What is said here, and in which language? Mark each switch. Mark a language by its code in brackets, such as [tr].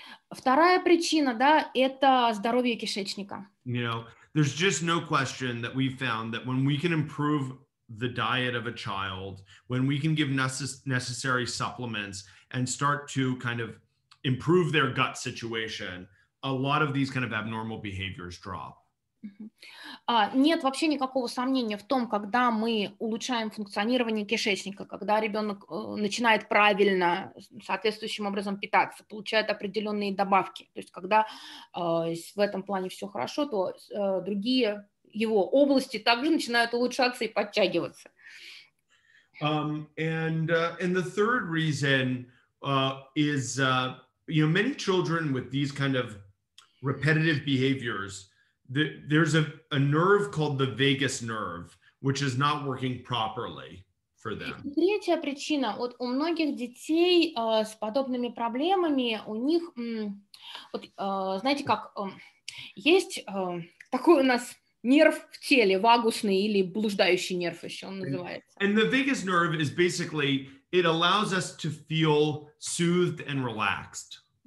[ru] Вторая причина, да, это здоровье кишечника. [en] You know, there's just no question that we found that when we can improve the diet of a child, when we can give necessary supplements and start to kind of improve their gut situation, a lot of these kind of abnormal behaviors drop. [ru] Нет вообще никакого сомнения в том, когда мы улучшаем функционирование кишечника, когда ребенок начинает правильно, соответствующим образом питаться, получает определенные добавки, то есть когда в этом плане все хорошо, то другие его области также начинают улучшаться и подтягиваться. [en] And the third reason is, you know, many children with these kind of repetitive behaviors, there's a nerve called the vagus nerve, which is not working properly for them. [ru] Третья причина. Вот у многих детей с подобными проблемами, у них, знаете как, есть такой у нас нерв в теле, вагусный или блуждающий нерв еще он называется. [en] And the vagus nerve is basically, it allows us to feel soothed and relaxed.